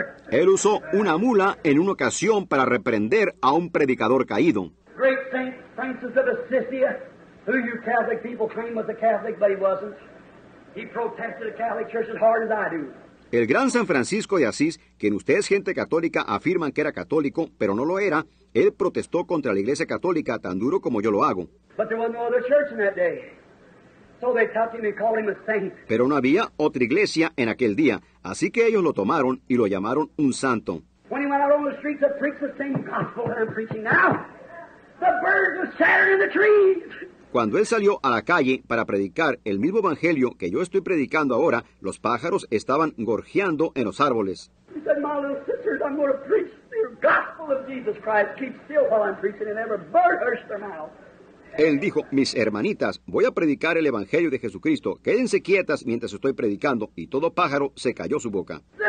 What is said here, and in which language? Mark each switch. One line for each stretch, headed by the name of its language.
Spanish: Él usó una mula en una ocasión para reprender a un predicador caído.
English: Great Saint Francis of Assisi, who you Catholic people claim was a Catholic, but he wasn't. He protested the Catholic Church as hard as I do.
Spanish: El gran San Francisco de Asís, quien ustedes gente católica afirman que era católico, pero no lo era, él protestó contra la Iglesia Católica tan duro como yo lo hago.
English: But there was no other church in that day. So they took him and called him a saint.
Spanish: Pero no había otra iglesia en aquel día, así que ellos lo tomaron y lo llamaron un santo.
English: When he went out on the streets to preach the same gospel that I'm preaching now, the birds were shattered in the trees.
Spanish: Cuando él salió a la calle para predicar el mismo evangelio que yo estoy predicando ahora, los pájaros estaban gorjeando en los árboles.
English: He said, my little sisters, I'm going to preach the gospel of Jesus Christ. Keep still while I'm preaching, and every bird hush their mouth.
Spanish: Él dijo, mis hermanitas, voy a predicar el evangelio de Jesucristo. Quédense quietas mientras estoy predicando. Y todo pájaro se calló su boca.